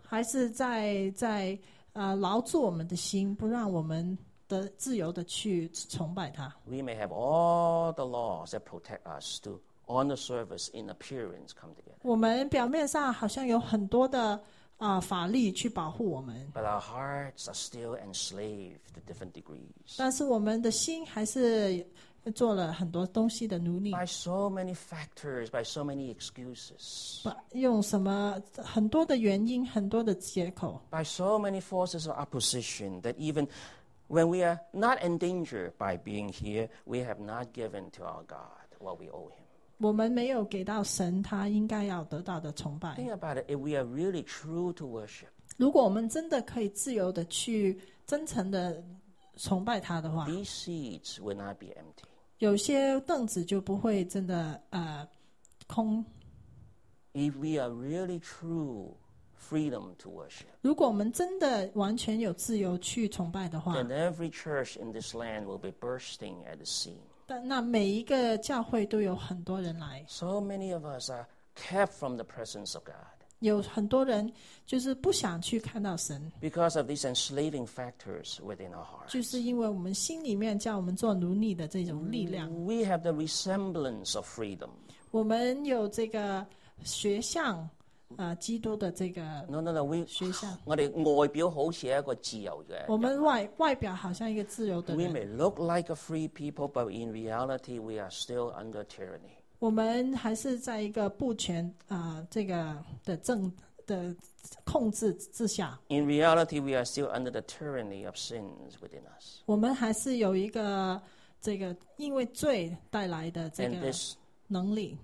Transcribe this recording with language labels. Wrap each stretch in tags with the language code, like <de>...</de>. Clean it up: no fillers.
<zh>还是在牢住我们的心，不让我们的自由的去崇拜他。</zh> <en>We may have all the laws that protect us to honor service in appearance come together.</en> <zh>我们表面上好像有很多的法律去保护我们。</zh> <en>But our hearts are still enslaved to different degrees.</en> <zh>但是我们的心还是做了很多东西的奴隶。</zh> <en>By so many factors, by so many excuses.</en> <zh>用什么很多的原因，很多的借口。</zh> <en>By so many forces of opposition that evenWhen we are not endangered by being here, we have not given to our God what we owe him.</en> <zh>我们没有给到神他应该要得到的崇拜。</zh> <en>Think about it, if we are really true to worship,</en> <zh>如果我们真的可以自由的去真诚的崇拜他的话，</zh> <en>these seats will not be empty.</en> <zh>有些凳子就不会真的空。</zh> <en>If we are really true,freedom to worship.</en> <zh>如果我们真的完全有自由去崇拜的话，</zh> <en>then every church in this land will be bursting at the seam.</en> <zh>但那每一个教会都有很多人来。</zh> <en>So many of us are kept from the presence of God.</en> <zh>有很多人就是不想去看到神。</zh> <en>Because of these enslaving factors within our hearts.</en> <zh>就是因为我们心里面叫我们做奴隶的这种力量。</zh> <en>We have the resemblance of freedom.</en> <zh>我们有这个学像基督的这个学校。我们外表好像一个自由的人。我们外表好像一个自由的人。</zh> <en>We may look like a free people, but in reality, we are still under tyranny.</en> <zh>我们还是在一个不权这个的控制之下。</zh> <en>In reality, we are still under the tyranny of sins within us.</en> <zh>我们还是有一个这个因为罪带来的这个能力。</zh>